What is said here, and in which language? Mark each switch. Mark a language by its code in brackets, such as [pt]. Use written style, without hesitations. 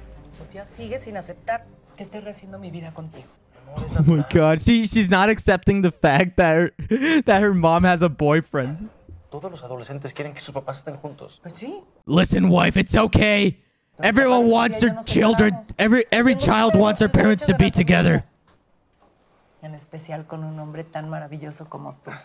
[es] Sofía sigue sin aceptar que esté rehaciendo mi vida contigo. [en] Oh my god, she's not accepting the fact that her mom has a boyfriend. [es] Todos los adolescentes quieren que sus papás estén juntos. [en] Listen, wife, it's okay. Everyone wants their children. Every child wants their parents to be together. [es] En especial con un hombre tan maravilloso como tú.